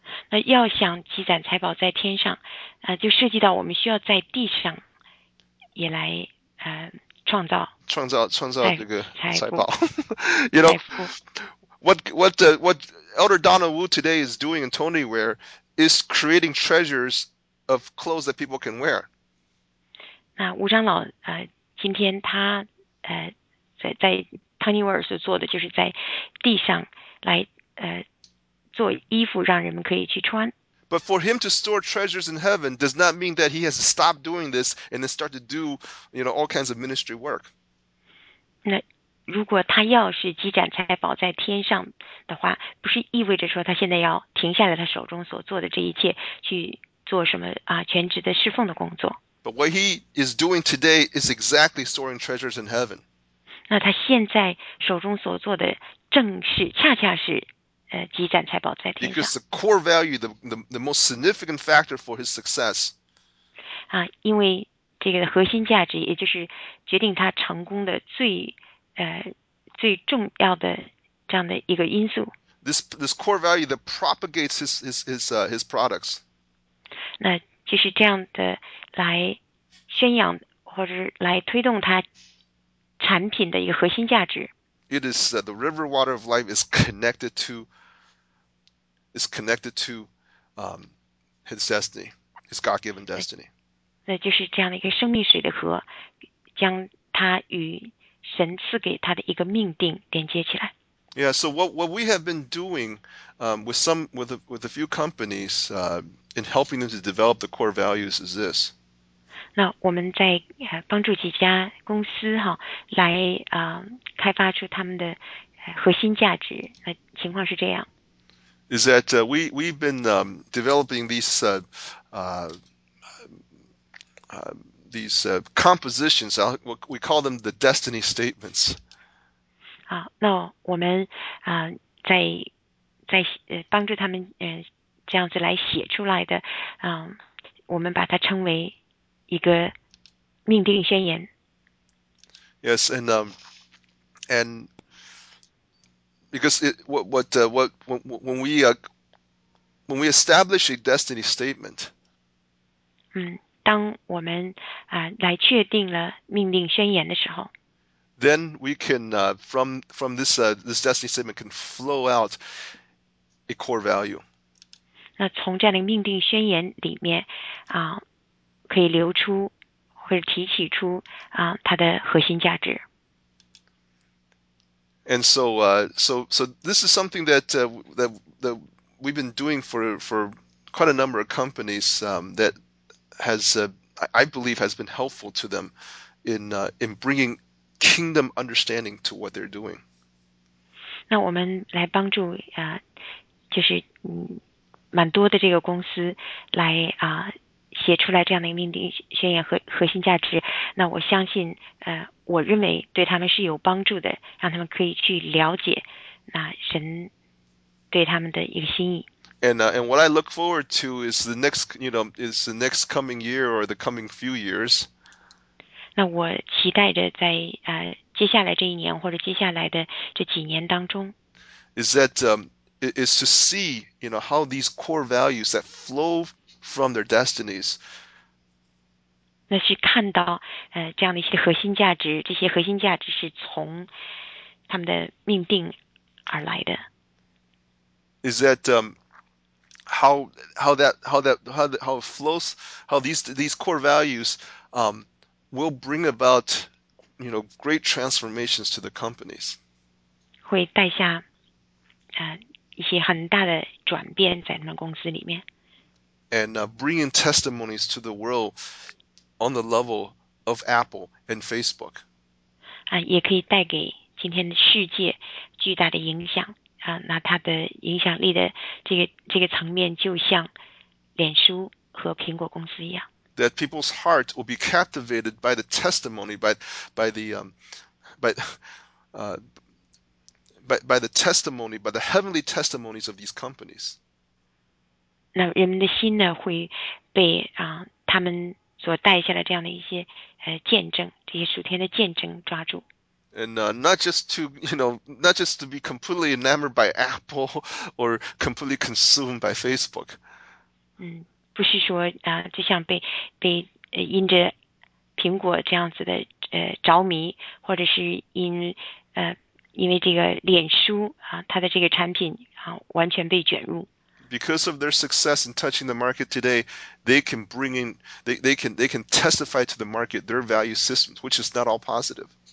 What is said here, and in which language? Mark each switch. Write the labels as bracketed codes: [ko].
[zh] 那要想积攒财宝在天上，就涉及到我们需要在地上也来创造这个财宝。 [en] You know, what Elder Donald Wu today is doing in Tony Ware is creating treasures of clothes that people can wear. [zh] 那吴长老今天他在汤尼维尔所做的就是在地上来做衣服，让人们可以去穿。 [en] But for him to store treasures in heaven does not mean that he has to stop doing this and then start to do, all kinds of ministry work. [zh] 那如果他要是积攒财宝在天上的话，不是意味着说他现在要停下来他手中所做的这一切，去做什么全职的侍奉的工作。 [en] But what he is doing today is exactly storing treasures in heaven. [zh] 那他现在手中所做的正是，恰恰是，积攒财宝在天上。 [en] Because the core value, the most significant factor for his success. [zh] 啊，因为这个核心价值，也就是决定他成功的最重要的这样的一个因素。 [en] This core value that propagates his products. [zh] 那就是这样的来宣扬，或者是来推动它产品的一个核心价值。 [en] It is that the river water of life is connected to his destiny, his God-given destiny. [zh] 那就是这样的一个生命水的河，将它与神赐给它的一个命定连接起来。 [en] Yeah, so what we have been doing with a few companies in helping them to develop the core values is this. [zh] 那我们在帮助几家公司哈，来开发出他们的核心价值。那情况是这样。 [en] Is that we've been developing these compositions, we call them the destiny statements. [zh] 好，那我们在帮助他们这样子来写出来的，我们把它称为一个命定宣言。 [en] Yes, and because it what when we establish a destiny statement, [zh] 当我们来确定了命令宣言的时候， [en] then we can from this destiny statement can flow out a core value. [zh] 那从这样的命令宣言里面可以流出或者提取出它的核心价值。 [en] And so this is something that that we've been doing for quite a number of companies that has I believe has been helpful to them in bringing kingdom understanding to what they're doing. [zh] 那我们来帮助就是蛮多的这个公司来写出来这样的一个命令宣言和核心价值。那我相信我认为对他们是有帮助的，让他们可以去了解那神对他们的一个心意。 [en] And what I look forward to is the next coming year or the coming few years. [zh] 那我期待着在接下来这一年或者接下来的这几年当中， [en] Is to see, how these core values that flow from their destinies. [zh] 那去看到这样的一些核心价值，这些核心价值是从他们的命定而来的。 [en] Is that how it flows, how these core values will bring about, great transformations to the companies. [zh] 会带下一些很大的转变在他们公司里面。 [en] And bringing testimonies to the world on the level of Apple and Facebook. [zh] 也可以带给今天的世界巨大的影响那它的影响力的这个层面，就像脸书和苹果公司一样。 [en] That people's heart will be captivated by the testimony, by the testimony, by the heavenly testimonies of these companies. [zh] 那人们的心呢，会被他们所带下来这样的一些见证，这些属天的见证抓住。 [en] And not just to be completely enamored by Apple or completely consumed by Facebook. [zh] 不是说就像被因着苹果这样子的着迷，或者是因为这个脸书它的这个产品完全被卷入。 [en] Because of their success in touching the market today, they can bring in they can testify to the market their value systems, which is not all positive.